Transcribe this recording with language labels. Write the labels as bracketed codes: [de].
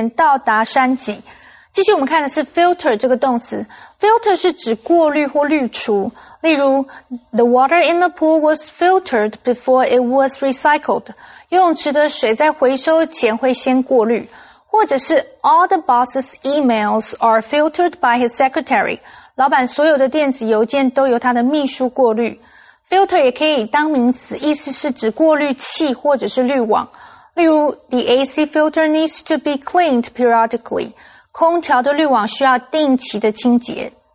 [zh] 这些登山者终于在下午4点到达山脊。继续我们看的是 filter 这个动词。 Filter 是指过滤或滤除。例如 [en] the water in the pool was filtered before it was recycled. [zh] 游泳池的水在回收前会先过滤。或者是 [en] all the boss's emails are filtered by his secretary. [zh] 老板所有的电子邮件都由他的秘书过滤。 Filter 也可以当名词, 意思是指过滤器 或者是滤网。例如, [en] the AC filter needs to be cleaned periodically. [zh] 空调的滤网需要定期的清洁。